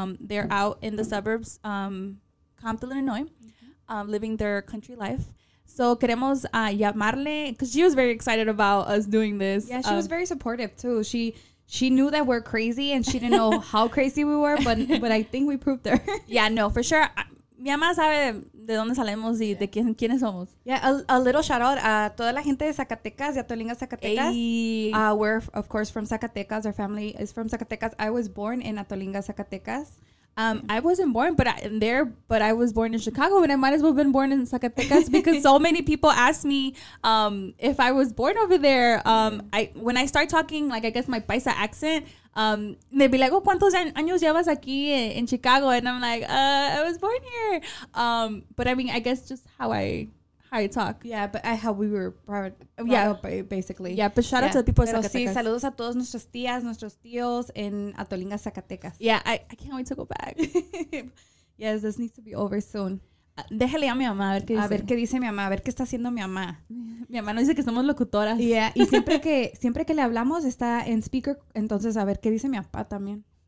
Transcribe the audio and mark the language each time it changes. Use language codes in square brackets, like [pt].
[en] They're out in the suburbs, Compton, Illinois, living their country life. So queremos llamarle, because she was very excited about us doing this. Yeah, she was very supportive, too. She knew that we're crazy, and she didn't know how crazy we were, but I think we proved her. Yeah, no, for sure. [es] Mi mamá sabe de dónde salimos y de quiénes somos. [en] Yeah, a little shout out a toda la gente de Zacatecas, de Atolinga, Zacatecas. We're, of course, from Zacatecas. Our family is from Zacatecas. I was born in Atolinga, Zacatecas. I wasn't born but I was born in Chicago, and I might as well have been born in Zacatecas because so many people ask me if I was born over there. When I start talking, like, I guess my paisa accent, they'd be like, oh, ¿cuántos años llevas aquí en Chicago? And I'm like, I was born here. But I mean, I guess just how I talk. Yeah, but how we were brought up, basically. Yeah, but shout out to the people of Zacatecas. [es] Sí, saludos a todos nuestras tías, nuestros tíos en Atolinga, Zacatecas. [en] Yeah, I can't wait to go back. Yes, this needs to be over soon. [es] Déjale a mi mamá a ver qué dice. A ver qué dice mi mamá, a ver qué está haciendo mi mamá. Mi mamá nos dice que somos locutoras. Yeah, y siempre que le hablamos está en speaker, entonces a ver qué dice mi papá también.